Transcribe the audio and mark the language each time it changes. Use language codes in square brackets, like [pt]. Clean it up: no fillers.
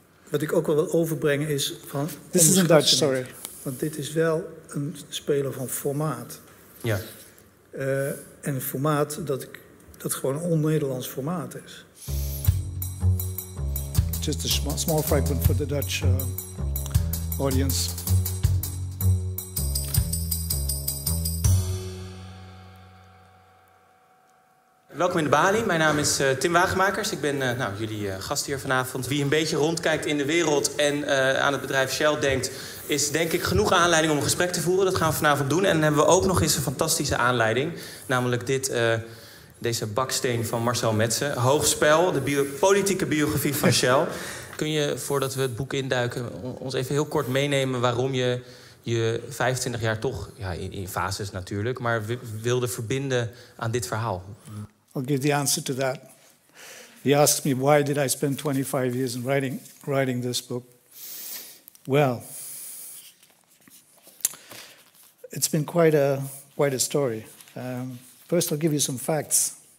[nl] Wat ik ook wel wil overbrengen is van... [en] This is in Dutch, sorry. [nl] Want dit is wel een speler van formaat. Ja. En een formaat dat gewoon een on-Nederlands formaat is. [en] Just a small fragment for the Dutch audience. [nl] Welkom in de Bali. Mijn naam is Tim Wagenmakers. Ik ben jullie gast hier vanavond. Wie een beetje rondkijkt in de wereld en aan het bedrijf Shell denkt, is denk ik genoeg aanleiding om een gesprek te voeren. Dat gaan we vanavond doen. En dan hebben we ook nog eens een fantastische aanleiding. Namelijk dit deze baksteen van Marcel Metze. Hoogspel, de politieke biografie van Shell. Kun je, voordat we het boek induiken, ons even heel kort meenemen waarom je je 25 jaar toch, ja, in fases natuurlijk, maar wilde verbinden aan dit verhaal? [en] I'll give the answer to that. He asked me, why did I spend 25 years in writing this book? Well, it's been quite a story. First, I'll give you some facts.